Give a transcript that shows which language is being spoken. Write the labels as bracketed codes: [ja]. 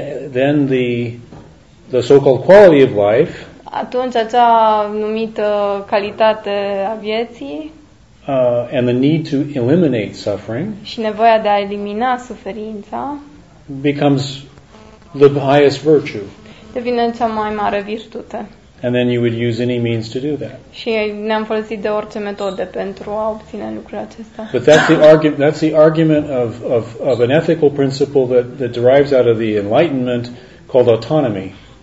[en] Then the so-called quality of life. [ro] Atunci acea numită calitate a vieții. [en] And the need to eliminate suffering [ro] și nevoia de a elimina suferința [en] becomes the highest virtue. [ro] Devine cea mai mare virtute. [en] And then you would use any means to do that. [ro] Și ne-am folosit de orice metodă pentru a obține lucrul acesta. [en] But that's the argument of an ethical principle that derives out of the Enlightenment called autonomy.